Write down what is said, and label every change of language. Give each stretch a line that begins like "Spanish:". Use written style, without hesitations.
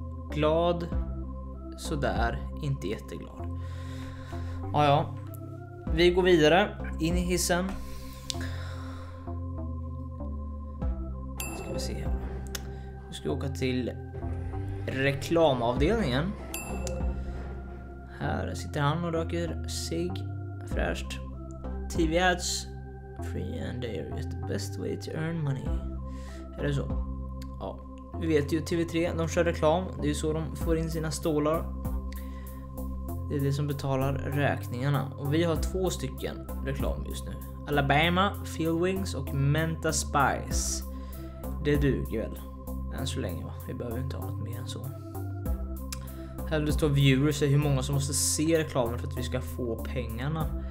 Swedish: Glad. Sådär. Inte jätteglad. Ja. Vi går vidare. In i hissen. Ska vi se. Nu ska vi åka till reklamavdelningen. Här sitter han och röker cig. Fräscht. TV ads.
English: Free and they are the best way to earn money.
Swedish: Är det så? Ja, vi vet ju TV3, de kör reklam. Det är ju så de får in sina stålar. Det är det som betalar räkningarna. Och vi har två stycken reklam just nu. Alabama, Field Wings och Menta Spice. Det duger väl. Än så länge va, vi behöver inte ha något mer än så. Här det står viewers, hur många som måste se reklamen för att vi ska få pengarna.